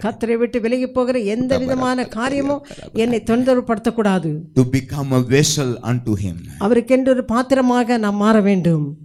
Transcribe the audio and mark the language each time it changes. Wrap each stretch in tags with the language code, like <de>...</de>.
<ta>கர்த்தரை விட்டு விலகி போகிற எந்த விதமான காரியமும் என்னை தொந்தரவுபடுத்த கூடாது.</ta> <en>To become a vessel unto him.</en> <ta>அவருக்கென்று ஒரு பாத்திரமாக நாம் மாற வேண்டும்.</ta>